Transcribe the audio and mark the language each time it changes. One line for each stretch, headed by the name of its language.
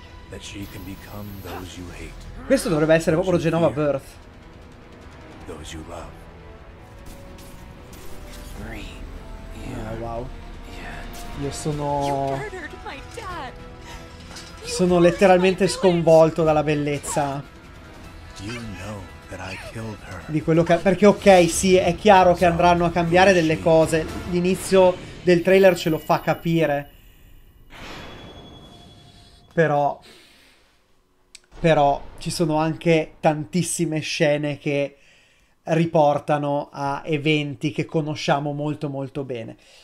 English: That she can become those you hate.
Italian: Questo dovrebbe essere proprio Genova Birth.
English: Those you love.
Italian: Wow. Io sono letteralmente sconvolto dalla bellezza.
English: You know that I killed her.
Italian: Di quello che. Perché ok, sì, è chiaro che andranno a cambiare delle cose. L'inizio del trailer ce lo fa capire. Però ci sono anche tantissime scene che riportano a eventi che conosciamo molto molto bene.